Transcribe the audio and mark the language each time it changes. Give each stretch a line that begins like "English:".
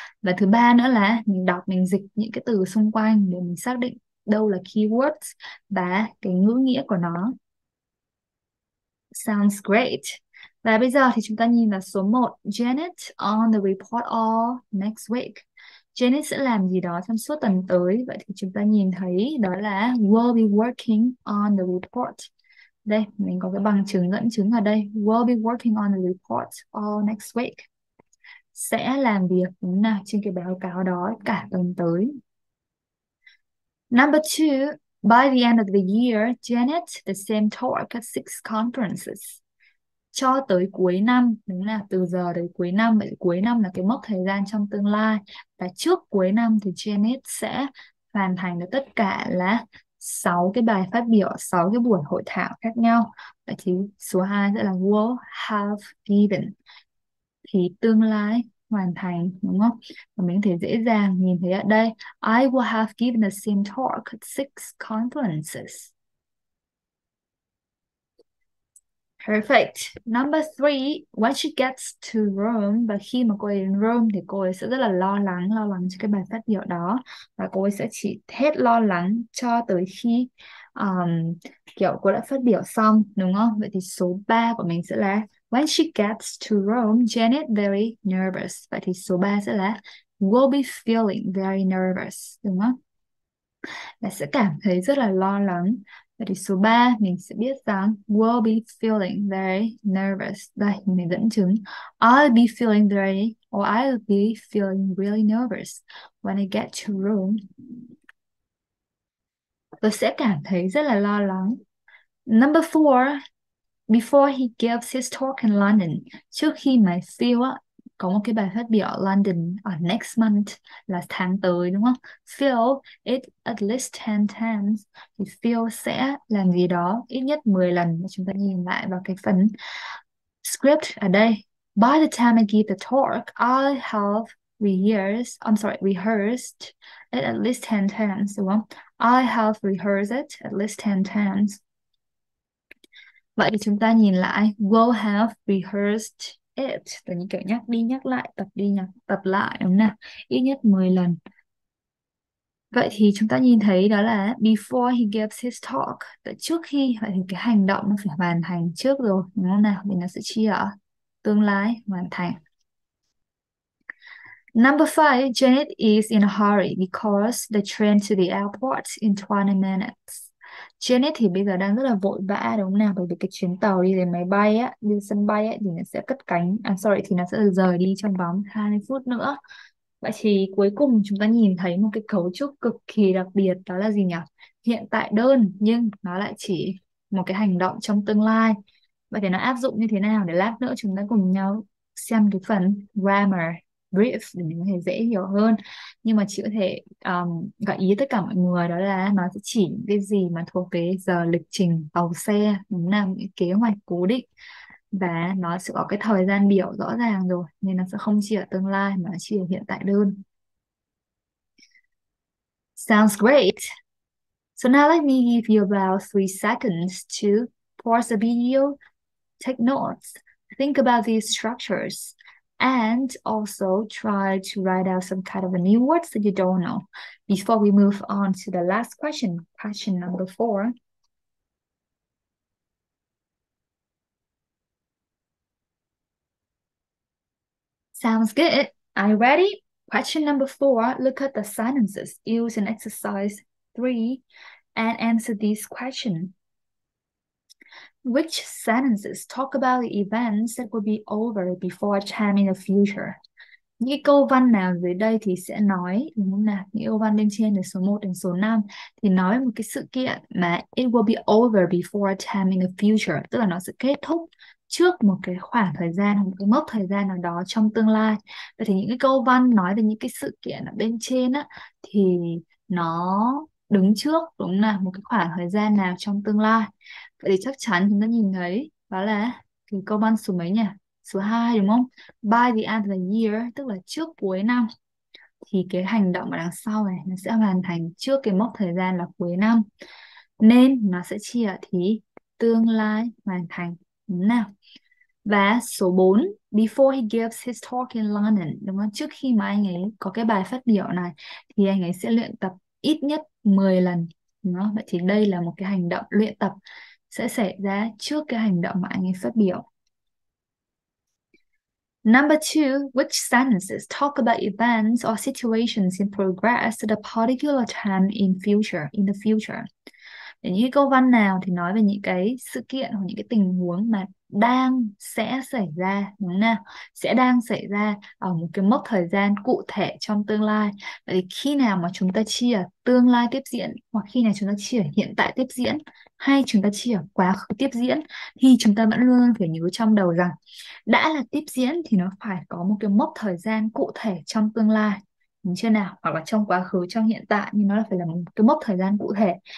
Vietnamese: Và thứ ba nữa là mình đọc, mình dịch những cái từ xung quanh để mình xác định đâu là keywords và cái ngữ nghĩa của nó.
English: Sounds great.
Vietnamese: Và bây giờ thì chúng ta nhìn vào số 1,
English: Janet on the report all next week.
Vietnamese: Janet sẽ làm gì đó trong suốt tuần tới. Vậy thì chúng ta nhìn thấy đó là
English: will be working on the report.
Vietnamese: Đây, mình có cái bằng chứng dẫn chứng ở đây.
English: Will be working on the report all next week.
Vietnamese: Sẽ làm việc nào trên cái báo cáo đó cả tuần tới.
English: Number 2, by the end of the year, Janet, the same talk at six conferences.
Vietnamese: Cho tới cuối năm, đúng là từ giờ tới cuối năm. Vậy cuối năm là cái mốc thời gian trong tương lai. Và trước cuối năm thì Janet sẽ hoàn thành được tất cả là 6 cái bài phát biểu, 6 cái buổi hội thảo khác nhau. Vậy thì số 2 sẽ là
English: will have given.
Vietnamese: Thì tương lai hoàn thành, đúng không? Và mình có thể dễ dàng nhìn thấy ở đây.
English: I will have given the same talk at six conferences. Perfect. Number 3, when she gets to Rome,
Vietnamese: và khi mà cô ấy đến Rome thì cô ấy sẽ rất là lo lắng cho cái bài phát biểu đó. Và cô ấy sẽ chỉ hết lo lắng cho tới khi kiểu cô đã phát biểu xong, đúng không? Vậy thì số 3 của mình sẽ là
English: when she gets to Rome, Janet very nervous.
Vietnamese: Vậy thì số 3 sẽ là
English: will be feeling very nervous,
Vietnamese: đúng không? Và sẽ cảm thấy rất là lo lắng. Vậy thì số 3 mình sẽ biết rằng
English: will be feeling very nervous.
Vietnamese: Đây, mình dẫn chứng.
English: I'll be feeling very, or I'll be feeling really nervous when I get to Rome.
Vietnamese: Tôi sẽ cảm thấy rất là lo lắng.
English: Number 4, before he gives his talk in London,
Vietnamese: trước khi mà Phil á, có một cái bài phát biểu ở London ở
English: next month
Vietnamese: là tháng tới đúng không? Phil
English: it at least 10 times.
Vietnamese: Thì Phil sẽ làm gì đó ít nhất 10 lần. Chúng ta nhìn lại vào cái phần script ở đây.
English: By the time I give the talk, I'll have rehearsed it at least 10 times. Well, I have rehearsed it at least 10 times.
Vietnamese: Vậy thì chúng ta nhìn lại
English: will have rehearsed it
Vietnamese: là những kiểu nhắc đi nhắc lại, tập đi nhắc tập lại đúng không nào, ít nhất 10 lần. Vậy thì chúng ta nhìn thấy đó là
English: before he gives his talk,
Vietnamese: trước khi, vậy thì cái hành động nó phải hoàn thành trước rồi đúng không nào, thì nó sẽ chia ở tương lai hoàn thành.
English: Number 5, Janet is in a hurry because the train to the airport in 20 minutes.
Vietnamese: Janet thì bây giờ đang rất là vội vã đúng không nào, bởi vì cái chuyến tàu đi đến máy bay á, đi sân bay á, thì nó sẽ cất cánh, thì nó sẽ rời đi trong vòng 20 phút nữa. Vậy thì cuối cùng chúng ta nhìn thấy một cái cấu trúc cực kỳ đặc biệt, đó là gì nhỉ? Hiện tại đơn nhưng nó lại chỉ một cái hành động trong tương lai. Vậy thì nó áp dụng như thế nào, để lát nữa chúng ta cùng nhau xem cái phần grammar brief để mình có thể dễ hiểu hơn. Nhưng mà chị có thể gợi ý tất cả mọi người đó là nó sẽ chỉ cái gì mà thuộc cái giờ lịch trình tàu xe, đúng là những kế hoạch cố định, và nó sẽ có cái thời gian biểu rõ ràng rồi, nên nó sẽ không chỉ ở tương lai mà nó chỉ ở hiện tại đơn.
English: Great. So now let me give you about 3 seconds to pause the video, take notes, think about these structures, and also try to write out some kind of a new words that you don't know before we move on to the last question, question number 4. Sounds good. Are you ready? Question number 4. Look at the sentences used in exercise 3 and answer this question. Which sentences talk about the events that will be over before a time in the future?
Vietnamese: Những cái câu văn nào dưới đây thì sẽ nói, đúng không nào? Những câu văn bên trên là số 1 đến số 5 thì nói một cái sự kiện mà
English: it will be over before a time in the future,
Vietnamese: tức là nó sẽ kết thúc trước một cái khoảng thời gian, một cái mốc thời gian nào đó trong tương lai. Vậy thì những cái câu văn nói về những cái sự kiện ở bên trên á thì nó đứng trước, đúng không nào, một cái khoảng thời gian nào trong tương lai. Vậy thì chắc chắn chúng ta nhìn thấy đó là cái câu văn số mấy nhỉ? Số 2 đúng không?
English: By the end of the year,
Vietnamese: tức là trước cuối năm, thì cái hành động ở đằng sau này nó sẽ hoàn thành trước cái mốc thời gian là cuối năm. Nên nó sẽ chia thì tương lai hoàn thành. Đúng nào? Và số 4,
English: before he gives his talk in London,
Vietnamese: đúng không? Trước khi mà anh ấy có cái bài phát biểu này thì anh ấy sẽ luyện tập ít nhất 10 lần. Đúng không? Vậy thì đây là một cái hành động luyện tập sẽ xảy ra trước cái hành động mà anh ấy phát biểu.
English: Number 2, which sentences talk about events or situations in progress at a particular time in the future?
Vietnamese: Để những câu văn nào thì nói về những cái sự kiện hoặc những cái tình huống mà đang sẽ xảy ra, đúng không nào? Sẽ đang xảy ra ở một cái mốc thời gian cụ thể trong tương lai. Vậy thì khi nào mà chúng ta chia tương lai tiếp diễn, hoặc khi nào chúng ta chia hiện tại tiếp diễn, hay chúng ta chia quá khứ tiếp diễn, thì chúng ta vẫn luôn phải nhớ trong đầu rằng đã là tiếp diễn thì nó phải có một cái mốc thời gian cụ thể trong tương lai, đúng chưa nào, hoặc là trong quá khứ, trong hiện tại, nhưng nó là phải là một cái mốc thời gian cụ thể.